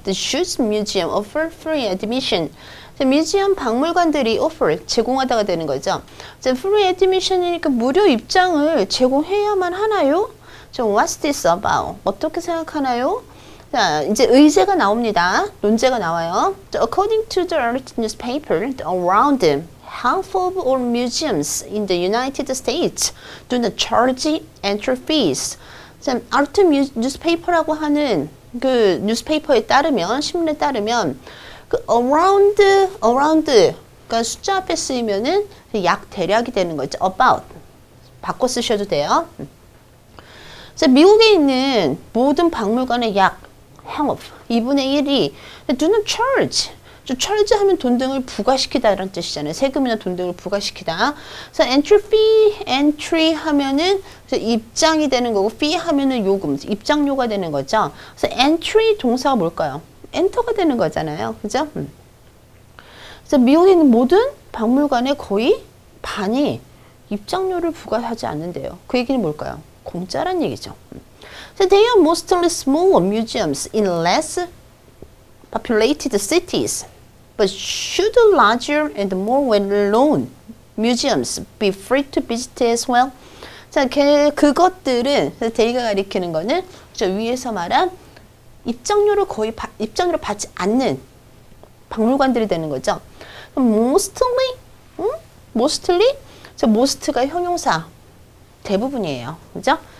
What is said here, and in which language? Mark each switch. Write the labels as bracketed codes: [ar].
[en] The Schutz Museum offer free admission. [ko] 자, 뮤지엄 박물관들이 offer, 제공하다가 되는 거죠. 자, free admission이니까 무료 입장을 제공해야만 하나요? 자, [en] what's this about? [ko] 어떻게 생각하나요? 자, 이제 의제가 나옵니다. 논제가 나와요. [en] So according to the article newspaper, around half of all museums in the United States do not charge entry fees. [ko] 자, article newspaper라고 하는 그 newspaper에 따르면, 신문에 따르면, 그 around, 그러니까 숫자 앞에 쓰이면은 약 대략이 되는 거죠. About. 바꿔 쓰셔도 돼요. 자, 미국에 있는 모든 박물관의 약, half, 2분의 1이 do not charge. charge 하면 돈 등을 부과시키다라는 뜻이잖아요. 세금이나 돈 등을 부과시키다. So entry fee, entry 하면은 입장이 되는 거고 fee 하면은 요금, 입장료가 되는 거죠. So entry 동사가 뭘까요? 엔터가 되는 거잖아요. 그죠? So 미국에 있는 모든 박물관의 거의 반이 입장료를 부과하지 않는데요. 그 얘기는 뭘까요? 공짜란 얘기죠. [en] So they are mostly small museums in less populated cities, but should larger and more well-known museums be free to visit as well? [ko] 자, 그것들은 데이가 가리키는 거는 저 위에서 말한 입장료를 거의 입장료를 받지 않는 박물관들이 되는 거죠. Mostly, 응? Mostly, 저 most가 형용사 대부분이에요, 그죠?